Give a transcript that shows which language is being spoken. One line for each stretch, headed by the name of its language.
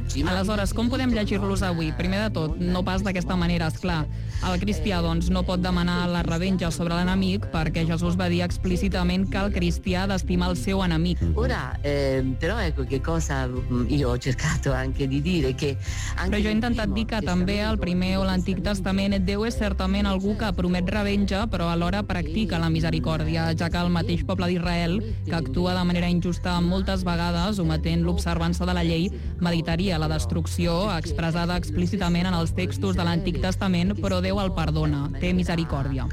Catalan: Aleshores, com podem llegir-los avui? Primer de tot, no pas d'aquesta manera, és clar. El cristià, doncs, no pot demanar la revenja sobre l'enemic perquè Jesús va dir explícitament que el cristià ha d'estimar el seu enemic.
Italian: Però, ecco, que cosa io ho cercato anche di dire, que...
Catalan: Però jo he intentat dir que també el primer o l'Antic Testament Déu és certament algú que promet revenja, però alhora practica la misericòrdia, ja que el mateix poble d'Israel, que actua de manera injusta moltes vegades, ometent l'observança de la llei, meditaria la destrucció expressada explícitament en els textos de l'Antic Testament, però Déu el perdona, té misericòrdia.